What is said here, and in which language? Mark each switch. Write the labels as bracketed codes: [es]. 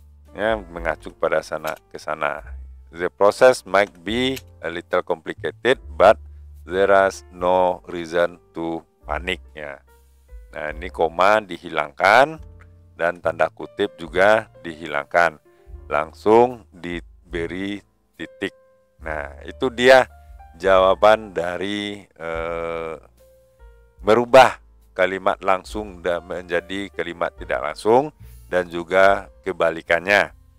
[id] Ya, mengacu pada sana ke sana. [en] The process might be a little complicated, but there is no reason to panic ya. [id] Nah, ini koma dihilangkan dan tanda kutip juga dihilangkan. Langsung diberi titik. Nah, itu dia jawaban dari merubah kalimat langsung menjadi kalimat tidak langsung dan juga kebalikannya.